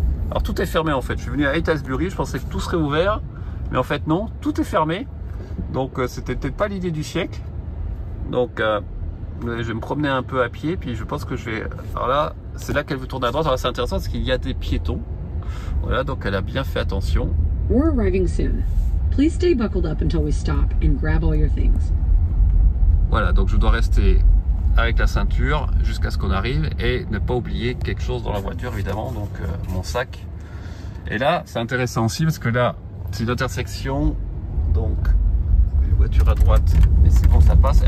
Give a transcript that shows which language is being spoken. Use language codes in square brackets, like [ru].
[fr] Alors, tout est fermé en fait. Je suis venu à Aylesbury. Je pensais que tout serait ouvert. Mais en fait, non. Tout est fermé. Donc, c'était peut-être pas l'idée du siècle. Donc, je vais me promener un peu à pied. Puis je pense que je vais. Alors là. C'est là qu'elle veut tourner à droite. Alors, c'est intéressant parce qu'il y a des piétons. Voilà, donc elle a bien fait attention. [en] We're arriving soon. Please stay buckled up until we stop and grab all your things. [fr] Voilà, donc je dois rester avec la ceinture jusqu'à ce qu'on arrive et ne pas oublier quelque chose dans la voiture, évidemment, donc mon sac. Et là, c'est intéressant aussi parce que là, c'est une intersection. Donc, une voiture à droite, mais c'est bon, ça passe.